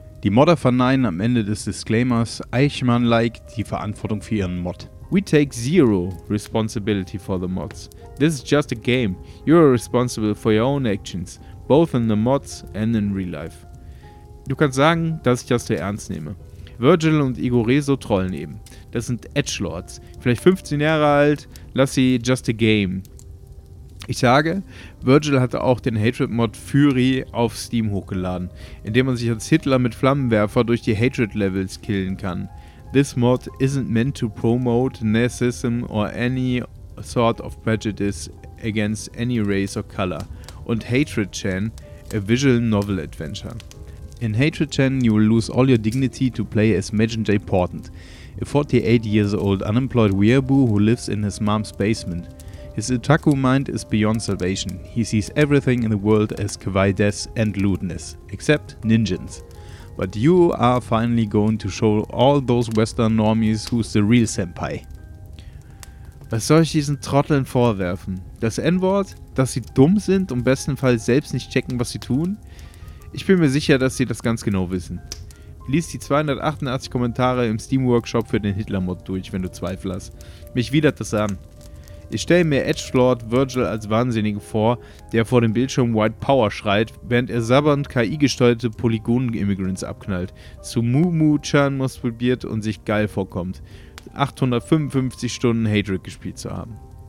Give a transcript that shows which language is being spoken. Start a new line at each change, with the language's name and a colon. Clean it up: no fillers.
German: Die Modder verneinen am Ende des Disclaimers Eichmann-like die Verantwortung für ihren Mod.
English: We take zero responsibility for the mods. This is just a game. You are responsible for your own actions, both in the mods and in real life.
German: Du kannst sagen, dass ich das sehr ernst nehme. Virgil und Igorezo trollen eben. Das sind Edgelords. Vielleicht 15 Jahre alt, lass sie
English: just a game.
German: Ich sage, Virgil hatte auch den Hatred-Mod Fury auf Steam hochgeladen, indem man sich als Hitler mit Flammenwerfer durch die Hatred-Levels killen kann.
English: This mod isn't meant to promote Nazism or any sort of prejudice against any race or color. Und Hatred Chan, a visual novel adventure. In Hatred Chan, you will lose all your dignity to play as Majin J. Portant, a 48 years old unemployed weeaboo who lives in his mom's basement. His otaku mind is beyond salvation. He sees everything in the world as kawaii death and lewdness, except ninjins. But you are finally going to show all those western normies who's the real senpai.
German: Was soll ich diesen Trotteln vorwerfen? Das N-Wort? Dass sie dumm sind und bestenfalls selbst nicht checken, was sie tun? Ich bin mir sicher, dass sie das ganz genau wissen. Lies die 288 Kommentare im Steam-Workshop für den Hitler-Mod durch, wenn du Zweifel hast. Mich widert das an. Ich stelle mir Edgelord Virgil als Wahnsinnigen vor, der vor dem Bildschirm White Power schreit, während er sabbernd KI-gesteuerte Polygon-Immigrants abknallt, zu Mumu-Chan masturbiert und sich geil vorkommt, 855 Stunden Hatred gespielt zu haben.